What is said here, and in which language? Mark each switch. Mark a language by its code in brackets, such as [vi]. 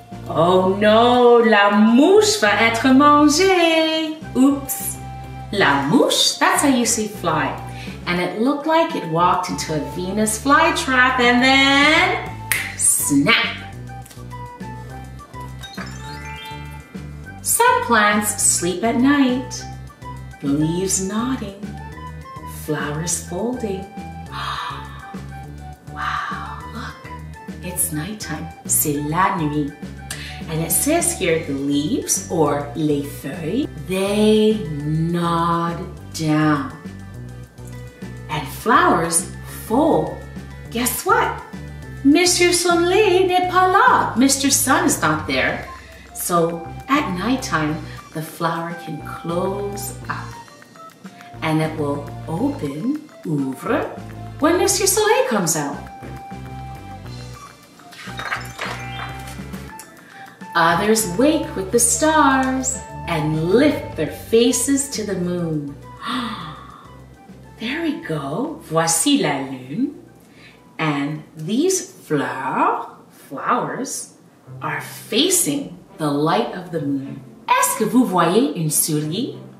[fr] Oh no, la mouche va être mangée. Oops. [en] La mouche, that's how you say fly. And it looked like it walked into a Venus fly trap and then snap. Some plants sleep at night, leaves nodding, flowers folding. Wow, look, it's nighttime, [fr] c'est la nuit. [en] And it says here the leaves, or les feuilles, they nod down. And flowers fold. Guess what? [fr] Monsieur Soleil n'est pas là. [en] Mr. Sun is not there. So at nighttime, the flower can close up. And it will open, ouvre, when Monsieur Soleil comes out. Others wake with the stars and lift their faces to the moon. There we go. [fr] Voici la lune. [en] And these flowers are facing the light of the moon. [fr] Est-ce que vous voyez une souris?